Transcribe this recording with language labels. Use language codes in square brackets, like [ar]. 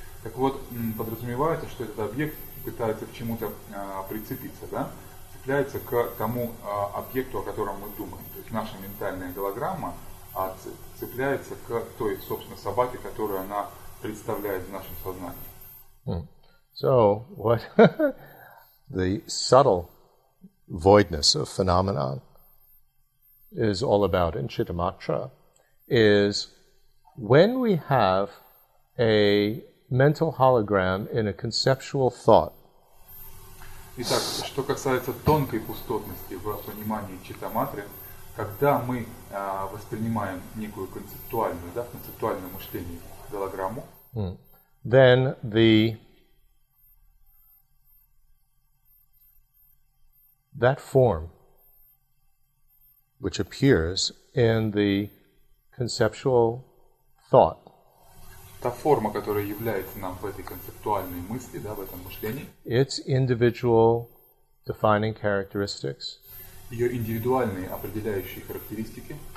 [ru] Так вот, подразумевается, что этот объект пытается к чему-то прицепиться, да, цепляется к тому объекту, о котором мы думаем. То есть наша ментальная голограмма цепляется к той, собственно, собаке, которую она представляет в нашем сознании. [en] So, what the subtle voidness of phenomenon is all about in Chittamatra is when we have a mental hologram in a conceptual thought. [ru] Итак, что касается тонкой пустотности в понимании Читаматры, когда мы воспринимаем некую концептуальную, да, в концептуальном мышлении голограмму, [en] then the that form which appears in the conceptual thought, [ru] та форма, которая является нам в этой концептуальной мысли, да, в этом мышлении, [en] its individual defining characteristics, [ru] ее индивидуальные определяющие характеристики,